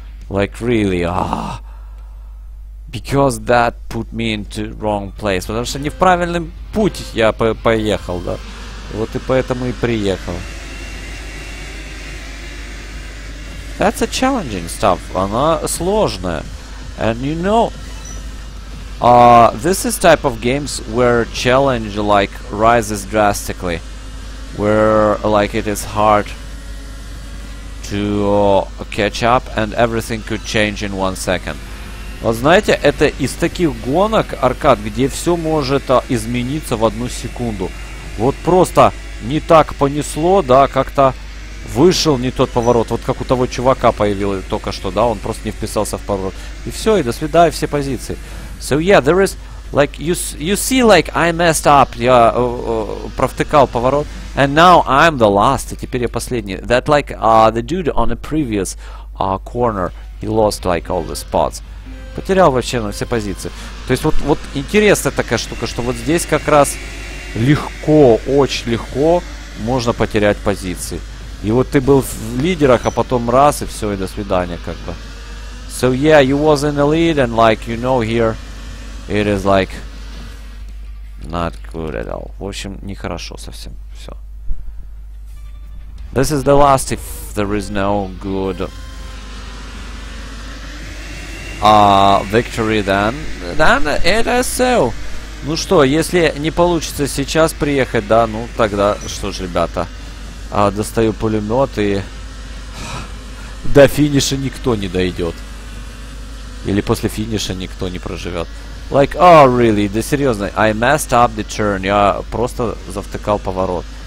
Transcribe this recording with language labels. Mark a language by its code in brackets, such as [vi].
[en] Like really, Because that put me into wrong place. [ru] Потому что не в правильный путь я поехал, да? Вот и поэтому и приехал. [en] That's a challenging stuff. [ru] Она сложная. [en] And you know, this is type of games where challenge like rises drastically. Where like it is hard to catch up and everything could change in one second. [ru] Вот знаете, это из таких гонок аркад, где все может измениться в одну секунду. Вот просто не так понесло, да, как-то вышел не тот поворот. Вот как у того чувака появилось только что, да, он просто не вписался в поворот. И все, и до свидания, все позиции. [en] So yeah, there is, like, you see, like, I messed up, [ru] я провтыкал поворот. [en] And now I'm the last, [ru] и теперь я последний. [en] That, like, the dude on the previous corner, he lost, like, all the spots. [ru] Потерял вообще на все позиции. То есть вот интересная такая штука, что вот здесь как раз легко, очень легко можно потерять позиции. И вот ты был в лидерах, а потом раз, и все, и до свидания, как бы. [en] So yeah, you was in the lead, and like, you know, here, it is like, not good at all. [ru] В общем, нехорошо совсем, все. [en] This is the last, if there is no good victory, then it is so. [ru] Ну что, если не получится сейчас приехать, да, ну тогда что ж, ребята, достаю пулемет и до финиша никто не дойдет. Или после финиша никто не проживет. [en] Like, oh really, [ru] да серьезно, [en] I messed up the turn, [ru] я просто завтыкал поворот.